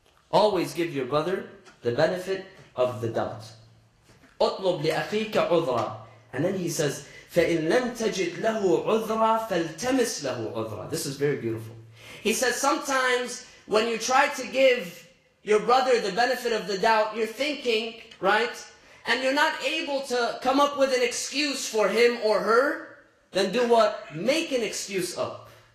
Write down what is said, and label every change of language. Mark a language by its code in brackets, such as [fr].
[en] Always give your brother the benefit of the doubt. [ar] أطلب لأخيك عذرا. [en] And then he says, [ar] فَإِن لَمْ تَجِدْ لَهُ عُذْرًا فَالْتَمِسْ لَهُ عُذْرًا. [en] This is very beautiful. He says, sometimes when you try to give your brother the benefit of the doubt, you're thinking, right? And you're not able to come up with an excuse for him or her, then do what? Make an excuse up.